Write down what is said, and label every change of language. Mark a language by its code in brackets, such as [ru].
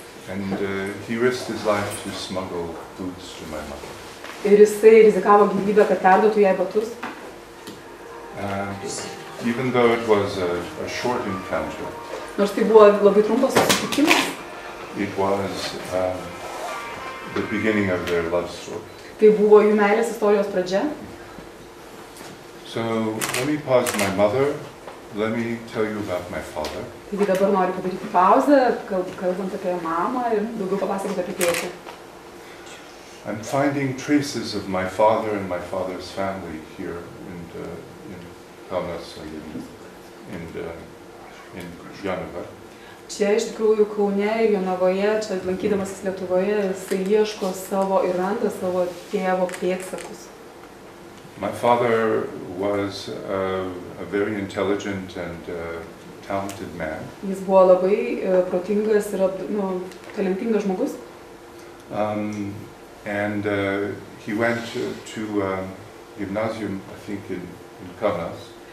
[en] And he risked his life to smuggle boots to my mother. [lt] Ir jisai rizikavo gyvybę, kad perduotų jai batus. [en] Even though it was a short encounter. [lt] Nors tai buvo labai trumpas susitikimas. [en] It was the beginning of their love story. [lt] Tai buvo jų meilės istorijos pradžia. [en] So, let me pause my mother. Let me tell you about my father. [lt] Taigi dabar noriu padaryti pauzę, kalbant apie mamą ir daugiau papasakant apie tėtį. [en] I'm finding traces of my father and my father's family here in Kaunas, in Jonava. [lt] Čia iš tikrųjų Kaune ir Jonavoje, čia lankydamasis Lietuvoje, jisai ieško savo ir randa savo tėvo pėdsakus. [en] My father was a very intelligent and talented man. [lt] Jis buvo labai protingas ir talentingas žmogus. [en] And he went to gymnasium, I think, in Kaunas.